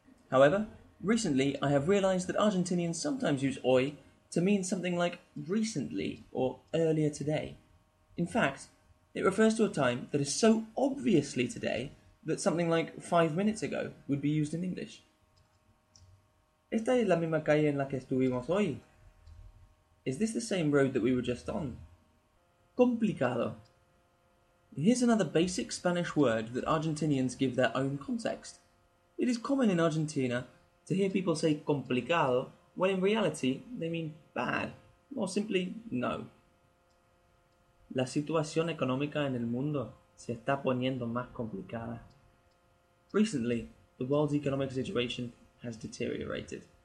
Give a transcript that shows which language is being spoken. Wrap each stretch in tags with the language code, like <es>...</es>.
<en>However, recently I have realized that Argentinians sometimes use hoy to mean something like recently or earlier today. In fact, it refers to a time that is so obviously today that something like 5 minutes ago would be used in English.</en> <es>¿Esta es la misma calle en la que estuvimos hoy?</es> <en>Is this the same road that we were just on? Complicado. Here's another basic Spanish word that Argentinians give their own context. It is common in Argentina to hear people say complicado when in reality they mean bad, or simply no.</en> <es>La situación económica en el mundo se está poniendo más complicada.</es> <en>Recently, the world's economic situation has deteriorated.</en>